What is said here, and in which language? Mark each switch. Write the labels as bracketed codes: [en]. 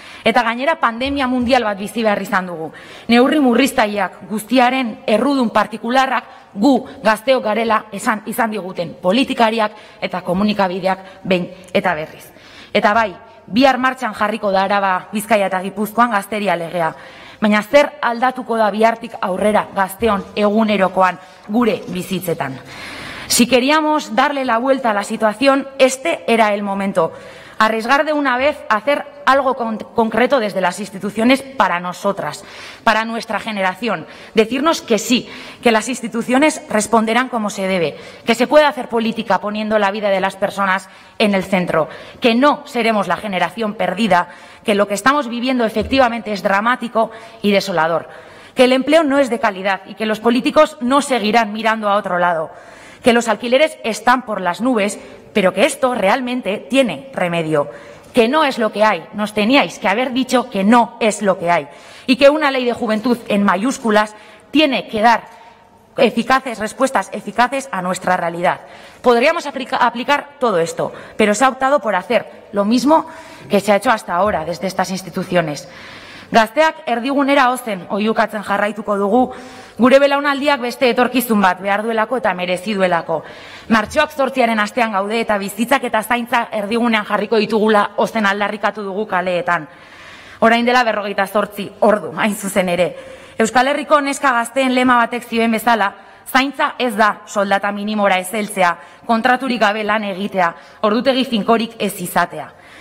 [eu] Eta gainera pandemia mundial bat bizi behar izan dugu. Neurri murriztaileak guztiaren errudun partikularrak gu gazteok garela izan diguten politikariak eta komunikabideak behin eta berriz. Eta bai, bihar martxan jarriko da Araba, Bizkaia eta Gipuzkoan gazteria legea. Baina zer aldatuko da bihartik aurrera gazteon egunerokoan gure bizitzetan. [es] Si queríamos darle la vuelta a la situación, este era el momento. Arriesgar de una vez a hacer algo concreto desde las instituciones para nosotras, para nuestra generación. Decirnos que sí, que las instituciones responderán como se debe, que se puede hacer política poniendo la vida de las personas en el centro, que no seremos la generación perdida, que lo que estamos viviendo efectivamente es dramático y desolador, que el empleo no es de calidad y que los políticos no seguirán mirando a otro lado, que los alquileres están por las nubes, pero que esto realmente tiene remedio. Que no es lo que hay, nos teníais que haber dicho que no es lo que hay. Y que una ley de juventud en mayúsculas tiene que dar eficaces respuestas eficaces a nuestra realidad. Podríamos aplicar todo esto, pero se ha optado por hacer lo mismo que se ha hecho hasta ahora desde estas instituciones. [eu] Gazteak erdigunera ozen oiukatzen jarraituko dugu, gure belaunaldiak beste etorkizun bat behar duelako eta mereziduelako. Martxoak 8aren astean gaude eta bizitzak eta zaintza erdigunean jarriko ditugula ozen aldarrikatu dugu kaleetan. Orain dela 48 ordu, hain zuzen ere. Euskal Herriko neska gazteen lema batek zioen bezala, zaintza ez da soldata minimora ez heltzea, kontraturik gabe lan egitea, ordutegi finkorik ez izatea.